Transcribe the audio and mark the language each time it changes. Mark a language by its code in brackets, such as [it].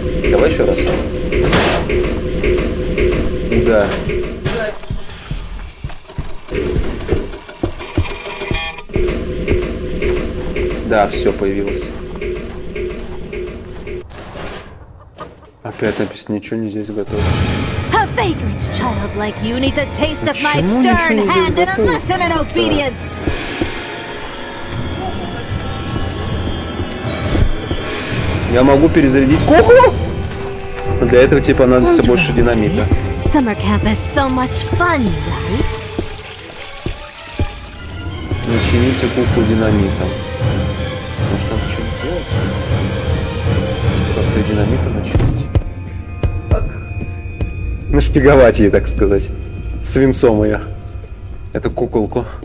[ru] Давай еще раз. Да. Да, все появилось. Опять написано, ничего не здесь готово. [en] A vagrant child like you need to taste of my stern hand and a lesson in obedience. [ru] Я могу перезарядить куклу? Для этого типа надо все больше динамита. [en] Summer camp is so much fun, right? [ru] Начините куклу динамитом. Может там что-то делать? Просто динамитом начините. Нашпиговать ей, так сказать. Свинцом ее. Эту куколку.